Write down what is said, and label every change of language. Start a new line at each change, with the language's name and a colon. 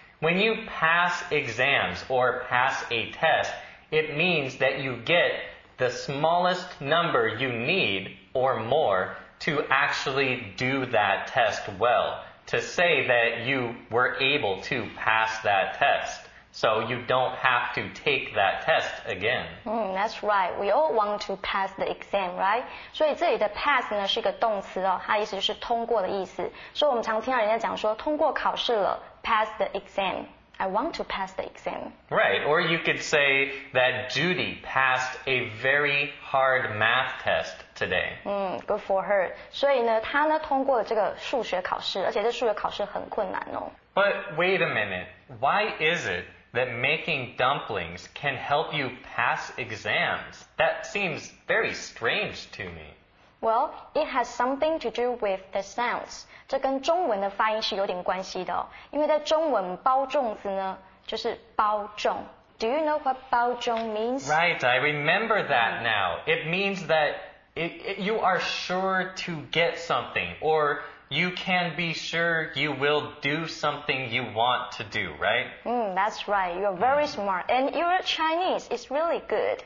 English: When you pass exams or pass a test, it means that you get the smallest number you need or more to actually do that test well, to say that you were able to pass that test. So you don't have to take that test again. That's right. We all want to pass the exam, right?
Chinese: 所以这里的 pass 呢是一个动词哦，它意思就是通过的意思。所以我们常听到人家讲说通过考试了。
English: Pass the exam. I want to pass the exam. Right, or you could say that Judy passed a very hard math test today. Good for her.
Chinese: 所以呢，她呢通过了这个数学考试，而且这数学考试很困难哦。
English: But wait a minute. Why is it that making dumplings can help you pass exams? That seems very strange to me. Well, it has something to do with the sounds.
Chinese: 这跟中文的发音是有点关系的哦。因为在中文包粽子呢就是包粽。
English: Do you know what 包粽 means? Right, I remember that now. It means that you are sure to get something, or you can be sure you will do something you want to do, right? That's right. You're very smart. And your Chinese is really good.